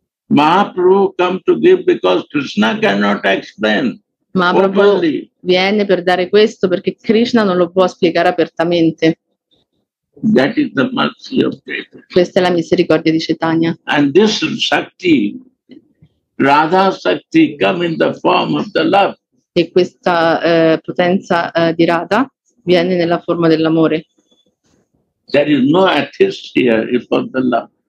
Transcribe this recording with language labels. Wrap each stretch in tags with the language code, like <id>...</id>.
<en>Mahaprabhu come to give because Krishna cannot explain.</en> <it>Mahaprabhu viene per dare questo perché Krishna non lo può spiegare apertamente.</it> <en>That is the mercy of Krishna.</en> <it>Questa è la misericordia di Chaitanya.</it> <en>And this shakti, Radha shakti, come in the form of the love.</en> <it>E questa potenza di Radha viene nella forma dell'amore.</it> <en>There is no atheist here for the love.</en>